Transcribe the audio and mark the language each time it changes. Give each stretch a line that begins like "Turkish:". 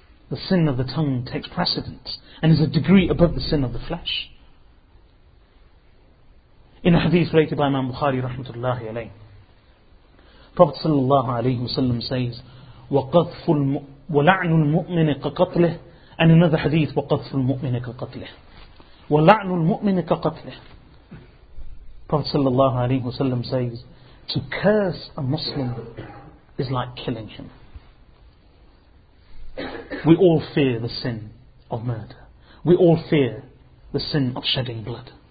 English: The sin of the tongue takes precedence and is a degree above the sin of the flesh. In a hadith related by Imam Bukhari rahmatullahi alayhi, Prophet sallallahu alayhi wa sallam says,
Arabic: وَقَذْفُ وَلَعْنُ الْمُؤْمِنِ كَقَتْلِهِ.
English: And another hadith,
Arabic: وَقَذْفُ الْمُؤْمِنِ كَقَتْلِهِ وَلَعْنُ الْمُؤْمِنِ كَقَتْلِهِ.
English: Prophet sallallahu alayhi wa sallam says, to curse a Muslim is like killing him. We all fear the sin of murder. We all fear the sin of shedding blood.